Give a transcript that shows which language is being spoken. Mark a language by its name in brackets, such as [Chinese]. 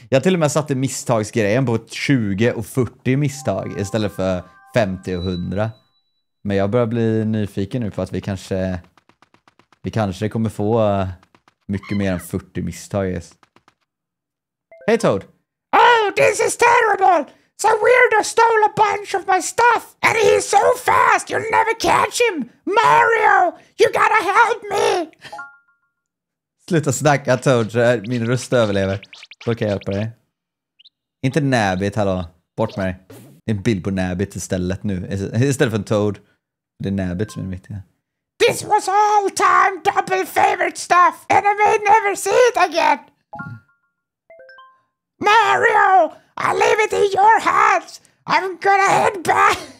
[Swedish] Jag till och med satte misstagsgrejen på 20 och 40 misstag istället för 50 och 100. Men jag börjar bli nyfiken nu på att vi kanske kommer få mycket mer än 40 misstag. Yes. Hej Toad! [English] Oh, this is terrible! Some weirdo stole a bunch of my stuff. And he's so fast, you'll never catch him. Mario, you gotta help me. [Swedish] Sluta snacka, Toad. Min röst överlever. Då kan jag hjälpa dig. Inte Nabbit, hallå. Bort med dig. En bild på Nabbit istället nu. Istället för en Toad. Det är Nabbit som är viktig. [English] This was all time double favorite stuff. And I may never see it again. Mario! I leave it in your hands. I'm gonna head back.